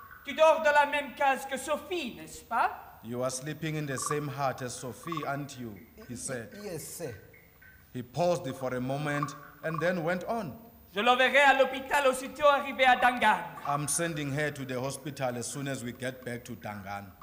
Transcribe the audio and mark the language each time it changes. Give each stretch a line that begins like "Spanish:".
French: Tu dors dans la même case que Sophie, n'est-ce pas?
English: You are sleeping in the same hut as Sophie, aren't you? He said. Yes, sir. He paused for a moment and then went on.
French: Je l'enverrai à l'hôpital aussitôt arrivé à Dangan.
English: I'm sending her to the hospital as soon as we get back to Dangan.